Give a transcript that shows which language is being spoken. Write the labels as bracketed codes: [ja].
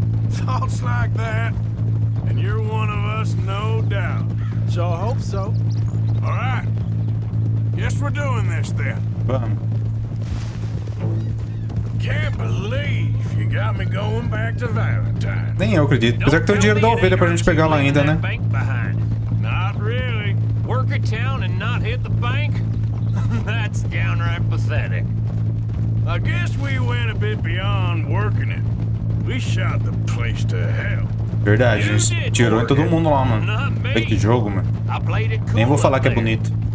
[en] Thoughts like that. And you're one of us, no doubt. Sure hope so. All right. Guess we're doing this then. Bum. Can't believe you got me going back to Valentine. [pt] Nem eu acredito. Apesar que tem o dinheiro da ovelha pra gente pegar lá ainda, né? [en] Not really. Work a town and not hit the bank? That's downright pathetic. I guess we went a bit beyond working it. We shot the place to hell. [pt] Verdade, tirou em todo mundo lá, mano. Olha que jogo, mano. Nem vou falar que é bonito.